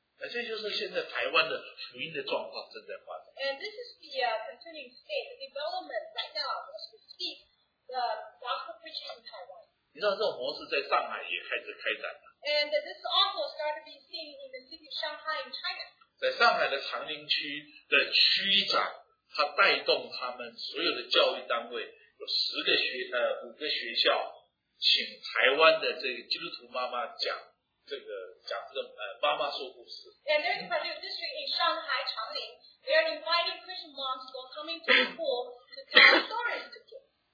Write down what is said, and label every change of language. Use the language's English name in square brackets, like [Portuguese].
[Chinese] 这就是现在台湾的福音的状况正在发展。 [English] And this is the continuing state, the development right now as we speak, the gospel preaching in Taiwan. [Chinese] 你知道这种模式在上海也开始开展了。 [English] And this also started being seen in the city of Shanghai in China. [Chinese] 在上海的长宁区的区长，他带动他们所有的教育单位，有五个学校，请台湾的这个基督徒妈妈讲这个讲这个妈妈说故事。 [English] And there's a particular district in Shanghai, Changlin. They are inviting Christian moms who are coming to school to tell stories to kids.